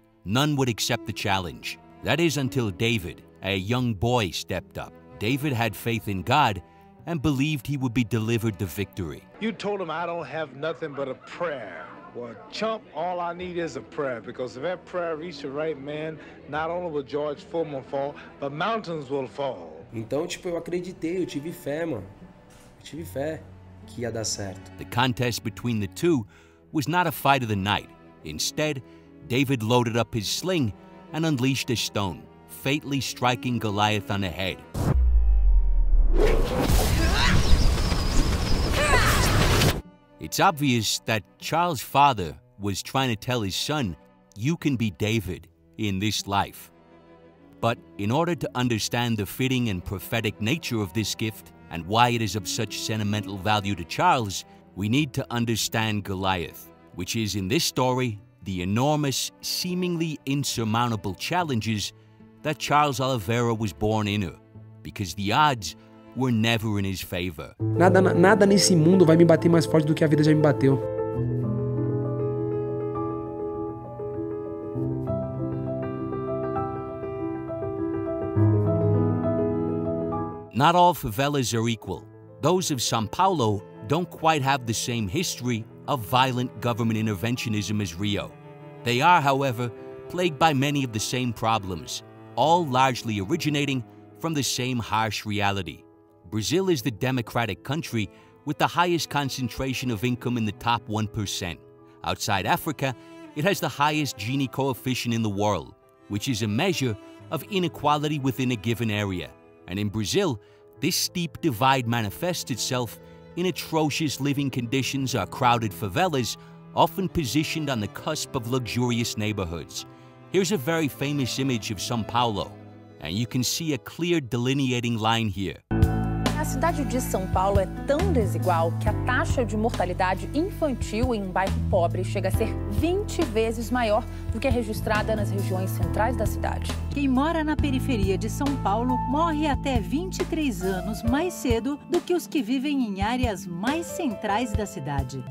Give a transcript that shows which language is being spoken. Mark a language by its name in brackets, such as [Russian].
[English] None would accept the challenge. That is until David, a young boy, stepped up. David had faith in God and believed he would be delivered the victory. You told him I don't have nothing but a prayer. Well, chump, all I need is a prayer, because if that prayer reaches the right man, not only will George Foreman fall, but mountains will fall. [Portuguese] Então, tipo, eu acreditei, eu tive fé, mano. Eu tive fé que ia dar certo. [English] The contest between the two was not a fight of the night. Instead, David loaded up his sling and unleashed a stone, fatally striking Goliath on the head. It's obvious that Charles' father was trying to tell his son, you can be David in this life. But in order to understand the fitting and prophetic nature of this gift and why it is of such sentimental value to Charles, we need to understand Goliath, which is in this story, the enormous, seemingly insurmountable challenges that Charles Oliveira was born into, because the odds were never in his favor. [Portuguese] Nada nesse mundo vai me bater mais forte do que a vida já me bateu. [English] Not all favelas are equal. Those of São Paulo don't quite have the same history of violent government interventionism as Rio. They are, however, plagued by many of the same problems, all largely originating from the same harsh reality. Brazil is the democratic country with the highest concentration of income in the top 1%. Outside Africa, it has the highest Gini coefficient in the world, which is a measure of inequality within a given area. And in Brazil, this steep divide manifests itself in atrocious living conditions or crowded favelas, often positioned on the cusp of luxurious neighborhoods. Here's a very famous image of São Paulo, and you can see a clear delineating line here. [Portuguese] A cidade de São Paulo é tão desigual que a taxa de mortalidade infantil em um bairro pobre chega a ser 20 vezes maior do que a registrada nas regiões centrais da cidade. Quem mora na periferia de São Paulo morre até 23 anos mais cedo do que os que vivem em áreas mais centrais da cidade.